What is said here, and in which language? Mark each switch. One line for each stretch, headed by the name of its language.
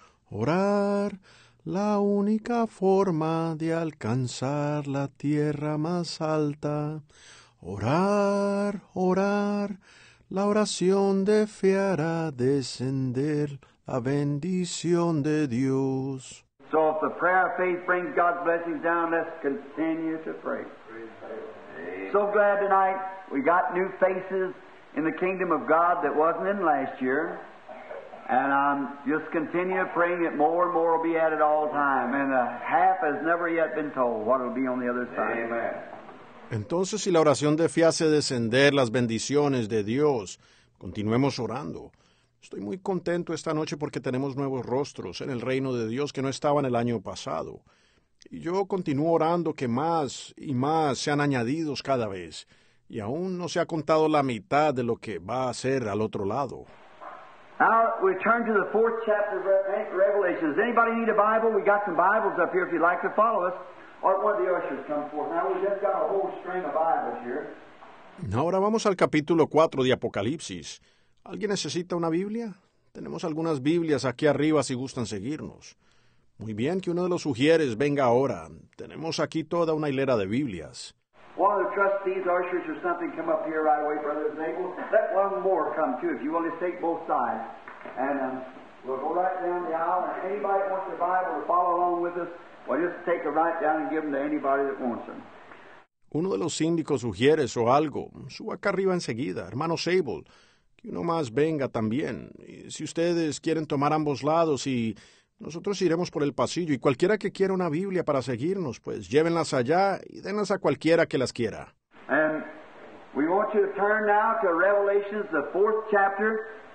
Spanish: Orar, la única forma de alcanzar la tierra más alta. Orar, la oración de fe hará descender la bendición de Dios.
English: So if the prayer of faith brings God's blessings down, let's continue to pray. So glad tonight we got new faces in the kingdom of God that wasn't in last year. And I'm just continuing praying that more and more will be added all time. And a half has never yet been told what will be on the other side. Amen.
Spanish: Entonces, si la oración de fe hace descender las bendiciones de Dios, continuemos orando. Estoy muy contento esta noche porque tenemos nuevos rostros en el reino de Dios que no estaban el año pasado. Y yo continúo orando que más y más sean añadidos cada vez. Y aún no se ha contado la mitad de lo que va a ser al otro lado.
English: Now we turn to the fourth chapter of Revelation. Does anybody need a Bible? We got some Bibles up here if you'd like to follow us. Or one of the ushers come forth. Now we've just got a whole string of Bibles here.
Spanish: Ahora vamos al capítulo 4 de Apocalipsis. ¿Alguien necesita una Biblia? Tenemos algunas Biblias aquí arriba si gustan seguirnos. Muy bien, que uno de los sugieres venga ahora. Tenemos aquí toda una hilera de Biblias.
English: One of the trustees, ushers, or something come up here right away, Brother Zabel. Let one more come too, if you will just take both sides. And we'll go right down the aisle. And anybody that wants a Bible to follow along with us, well, just take a right down and give them to anybody that wants them.
Spanish: Uno de los síndicos sugieres o algo, suba acá arriba enseguida, hermano Zabel. Que uno más venga también. Y si ustedes quieren tomar ambos lados y nosotros iremos por el pasillo. Y cualquiera que quiera una Biblia para seguirnos, pues llévenlas allá y denlas a cualquiera que las quiera.
English: And we want you to turn now to Revelation, the fourth chapter.